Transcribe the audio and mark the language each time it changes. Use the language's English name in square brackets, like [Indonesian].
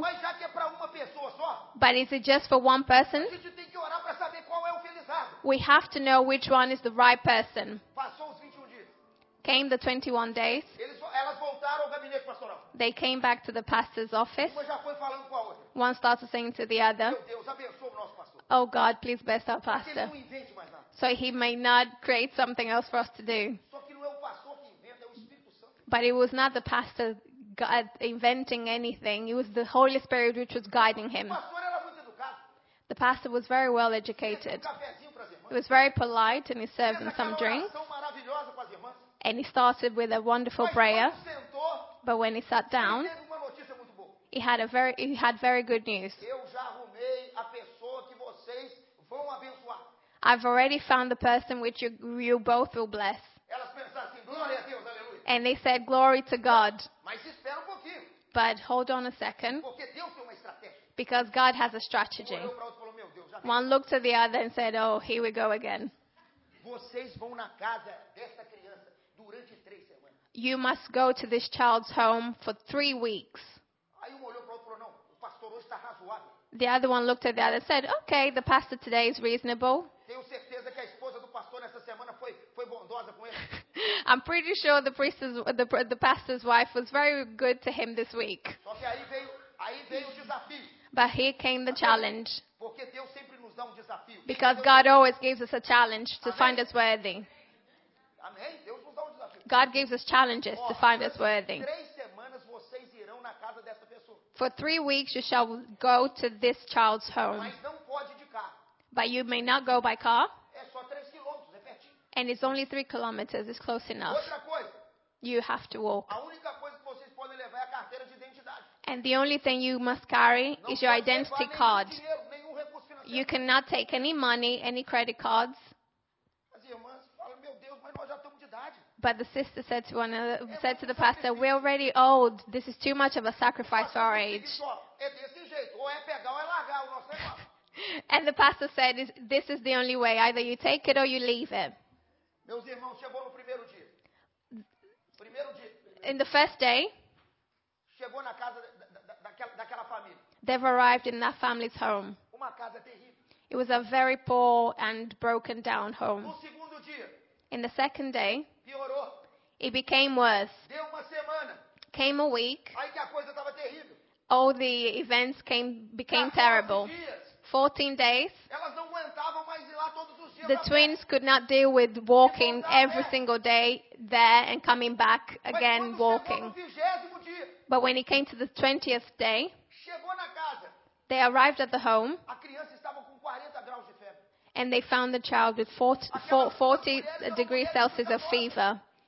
[Portuguese] Mas já que é para uma pessoa só? [English] But is it just for one person? [Portuguese] A gente tem que orar para saber qual é o felizardo. [English] We have to know which one is the right person. [Portuguese] Passou os 21 dias. [English] Came the 21 days. [Portuguese] Elas voltaram ao gabinete pastoral. [English] They came back to the pastor's office. [Portuguese] Uma já foi falando com a outra. [English] One started saying to the other, [Portuguese] Meu Deus, abençoe o nosso pastor. [English] Oh God, please bless our pastor. [Portuguese] Ele não invente mais nada. [English] So he may not create something else for us to do. [Portuguese] Só que não é o pastor que inventa, é o Espírito Santo. [English] But it was not the pastor God inventing anything. It was the Holy Spirit which was guiding him. [Portuguese] O pastor era muito educado. [English] The pastor was very well educated. [Portuguese] Ele fez um cafezinho para as irmãs. [English] He was very polite and he served them some drinks. [Portuguese] Fez aquela oração maravilhosa para as irmãs. [English] And he started with a wonderful [Portuguese] Mas [English] prayer. [Portuguese] Sentou, [English] but when he sat down, he had very good news. [Portuguese] Eu já arrumei a pessoa que vocês vão abençoar. [English] I've already found the person which you both will bless. [Portuguese] Elas pensaram assim, glória a Deus, aleluia. [English] And they said, glory to God. [Portuguese] Mas espera um pouquinho. [English] But hold on a second. [Portuguese] Porque Deus tem uma estratégia. [English] Because God has a strategy. [Portuguese] Um olhou para outro, falou, Meu Deus, já [English] One [Portuguese] vem. [English] Looked at the other and said, oh, here we go again. [Portuguese] Vocês vão na casa dessa criança durante 3 semanas. [English] You must go to this child's home for 3 weeks. [Portuguese] Aí olhou para outro, falou, não, o pastor hoje está razoável. [English] The other one looked at the other and said, okay, the pastor today is reasonable. [Portuguese] Tenho certeza que a esposa do pastor nessa semana foi bondosa com ele. [English] I'm pretty sure the pastor's wife was very good to him this week. [Portuguese] Só que aí veio o desafio. [English] But here came the challenge. [Portuguese] Porque Deus sempre nos dá um desafio. [English] Because God always gives us a challenge to find us worthy. [Portuguese] Amém? Deus nos dá um desafio. [English] God gives us challenges to find us worthy. [Portuguese] 3 semanas vocês irão na casa dessa pessoa. [English] For 3 weeks you shall go to this child's home. [Portuguese] Mas não pode de carro. [English] But you may not go by car. [Portuguese] É só 3 quilômetros, é pertinho. [English] And it's only 3 kilometers, it's close enough. [Portuguese] Outra coisa, [English] you have to walk. [Portuguese] A única coisa que vocês podem levar é a carteira de identidade. [English] And the only thing you must carry [Portuguese] não [English] is your identity card. [Portuguese] Dinheiro, nenhum recurso financeiro. [English] You cannot take any money, any credit cards. [Portuguese] As irmãs falam, Meu Deus, mas nós já estamos de idade. [English] But the sister said to one another, said to the pastor, we're already old. This is too much of a sacrifice for our age. [Portuguese] É desse jeito, ou é pegar ou é largar o nosso negócio. [English] And the pastor said, this is the only way. Either you take it or you leave it. [Portuguese] Meus irmãos, chegou no primeiro dia. [English] In the first day, [Portuguese] chegou na casa daquela família. [English] They've arrived in that family's home. [Portuguese] Uma casa terrível. [English] It was a very poor and broken down home. [Portuguese] No segundo dia, [English] in the second day, [Portuguese] piorou. [English] It became worse. [Portuguese] Deu uma semana. [English] Came a week. [Portuguese] Aí que a coisa tava terrível. [English] All the events became terrible. 14 days. [Portuguese] Elas não aguentavam mais ir lá todos os dias. [English] The twins could not deal with walking every single day there and coming back again walking. But when he came to the 20th day, [Portuguese] chegou na casa. [English] They arrived at the home. [Portuguese] A criança estava com 40 graus de febre. [English] And they found the child with 40 degrees Celsius of fever.